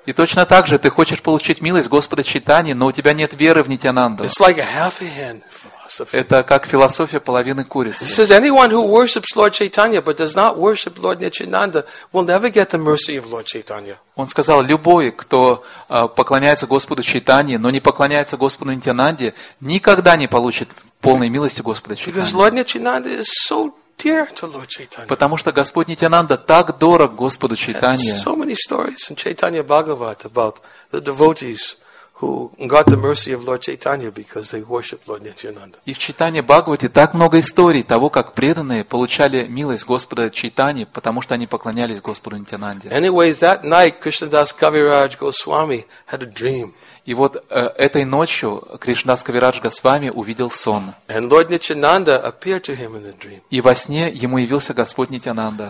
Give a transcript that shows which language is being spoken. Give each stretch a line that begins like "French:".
Russian: И точно так же ты хочешь получить милость Господа Чайтаньи, но у тебя нет веры в Нитянанду.
English: It's like a half a hen.
Russian: Это как философия половины курицы.
English: He says anyone who worships Lord Chaitanya but does not worship Lord Nityananda will never get the mercy of Lord Chaitanya.
Russian: Он сказал, любой, кто поклоняется Господу Чайтанье, но не поклоняется Господу Нитянанде, никогда не получит полной милости Господа Чайтанье.
English: Because Lord Nityananda is so dear to Lord Chaitanya.
Russian: Потому что Господь Нитянанда так дорог Господу Чайтанье.
English: So many stories in Chaitanya Bhagavata about the devotees. Who got the mercy of Lord Chaitanya because they worshipped Lord Nityananda.
Russian: И в Чайтанье Бхагавате так много историй того, как преданные получали милость Господа Чайтаньи, потому что они поклонялись Господу Нитянанде.
English: Anyway, that night Krishnadas Kaviraj Goswami had a dream.
Russian: И вот этой ночью Кришнадас Кавирадж Госвами увидел сон.
English: And Lord Nityananda appeared to him in the dream.
Russian: И во сне ему явился Господь Нитянанда.